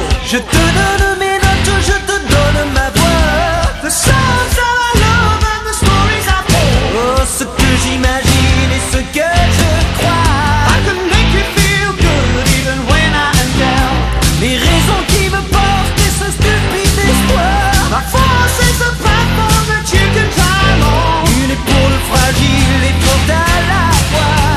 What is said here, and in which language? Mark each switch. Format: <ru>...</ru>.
<fr>Je te donne mes notes, je te donne ma voix.</fr> <en>The songs of our love and the stories I tell.</en> <fr>Oh, ce que j'imagine et ce que je crois.</fr> <en>I can make you feel good even when I'm down.</en> <fr>Les raisons qui me portent et ce stupide espoir.</fr> <en>My force is a platform that you can climb on.</en> <fr>Une épaule fragile et trop à la fois.</fr>